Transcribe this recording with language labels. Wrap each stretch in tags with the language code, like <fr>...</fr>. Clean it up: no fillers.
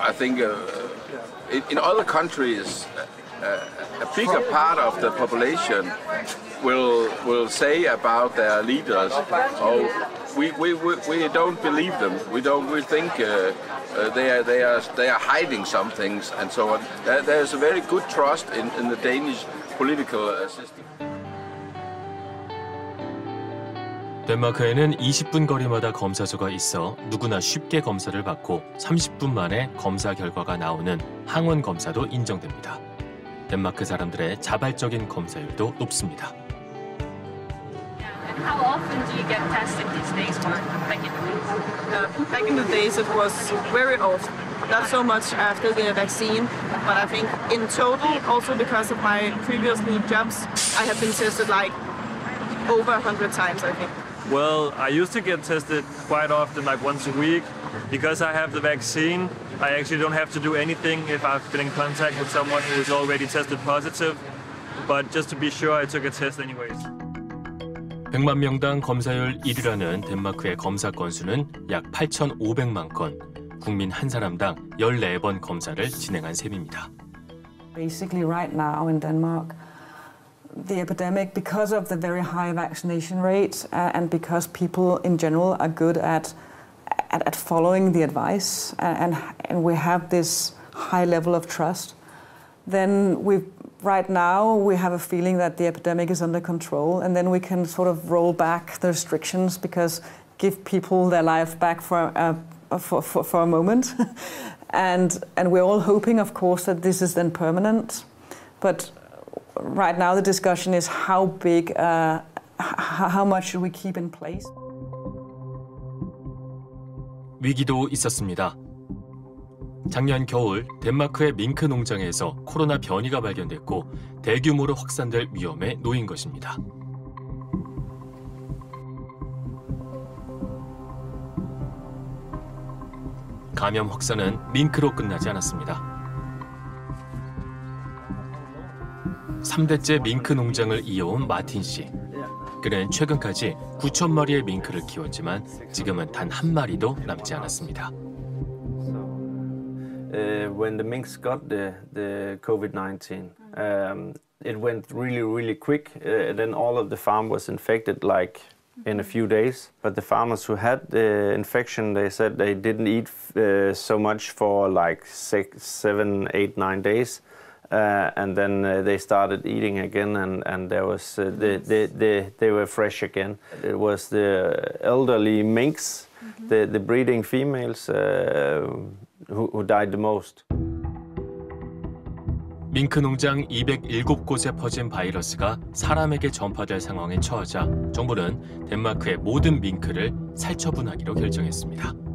<en>I think in other countries, a bigger part of the population will say about their leaders, oh, we don't believe them. We think. They are hiding some things and so on. There is a very good trust in the Danish political system.</en> <ko>덴마크에는 20분 거리마다 검사소가 있어 누구나 쉽게 검사를 받고 30분 만에 검사 결과가 나오는 항원 검사도 인정됩니다. 덴마크 사람들의 자발적인 검사율도 높습니다.</ko> <en>How often do you get tested these days, Mark, back in the days? Back in the days, it was very often. Not so much after the vaccine, but I think in total, also because of my previous new jobs, I have been tested like over 100 times, I think. Well, I used to get tested quite often, like once a week. Because I have the vaccine, I actually don't have to do anything if I've been in contact with someone who is already tested positive. But just to be sure, I took a test anyways.</en> <ko>100만 명당 검사율 1위라는 덴마크의 검사 건수는 약 8,500만 건. 국민 한 사람당 14번 검사를 진행한 셈입니다.</ko> <en>Basically right now in Denmark, the epidemic, because of the very high vaccination rate and because people in general are good at following the advice and we have this high level of trust, then right now, we have a feeling that the epidemic is under control, and then we can sort of roll back the restrictions because give people their life back for a moment. and we're all hoping, of course, that this is then permanent. But right now, the discussion is how much should we keep in place?</en> <ko>위기도 있었습니다. 작년 겨울 덴마크의 밍크 농장에서 코로나 변이가 발견됐고 대규모로 확산될 위험에 놓인 것입니다. 감염 확산은 밍크로 끝나지 않았습니다. 3대째 밍크 농장을 이어온 마틴 씨. 그는 최근까지 9천 마리의 밍크를 키웠지만 지금은 단 한 마리도 남지 않았습니다.</ko> <en>When the minks got the COVID-19, it went really, really quick. Then all of the farm was infected like in a few days. But the farmers who had the infection, they said they didn't eat so much for like 6, 7, 8, 9 days. And then they started eating again, and there was they were fresh again. It was the elderly minks, the breeding females, who died the most.</en> <ko>밍크 농장 207곳에 퍼진 바이러스가 사람에게 전파될 상황에 처하자 정부는 덴마크의 모든 밍크를 살처분하기로 결정했습니다.</ko>